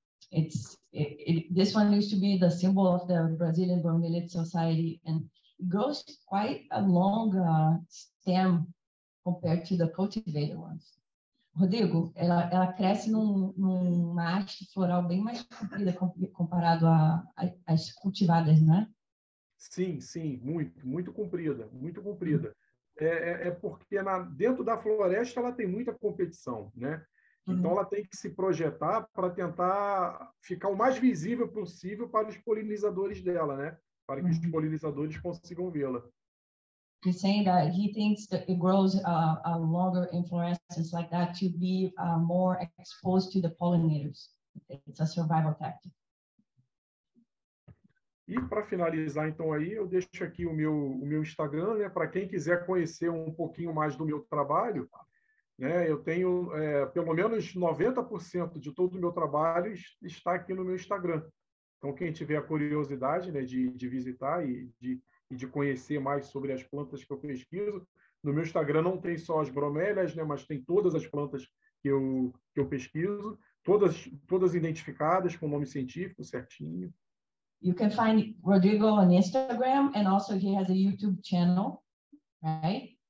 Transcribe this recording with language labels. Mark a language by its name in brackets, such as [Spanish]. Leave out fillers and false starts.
[English] This one used to be the symbol of the Brazilian Bromeliad Society, and it grows quite a long stem compared to the cultivated ones. [Portuguese] Rodrigo, ela cresce numa haste floral bem mais comprida comparado às cultivadas, né? Sim, muito, muito comprida, muito comprida. É porque dentro da floresta ela tem muita competição, né? Então ela tem que se projetar para tentar ficar o mais visível possível para os polinizadores dela, né? Para que os polinizadores consigam vê-la. [English] He's saying that he thinks that it grows a longer inflorescence like that to be more exposed to the pollinators. It's a survival tactic. [Portuguese] E para finalizar, então, aí, eu deixo aqui o meu Instagram, né? Para quem quiser conhecer um pouquinho mais do meu trabalho, né? Eu tenho pelo menos 90% de todo o meu trabalho está aqui no meu Instagram. Então, quem tiver a curiosidade, né, de visitar e de conhecer mais sobre as plantas que eu pesquiso, no meu Instagram não tem só as bromélias, né, mas tem todas as plantas que eu pesquiso, todas identificadas com nome científico certinho. [English] You can find Rodrigo on Instagram, and also he has a YouTube channel, right?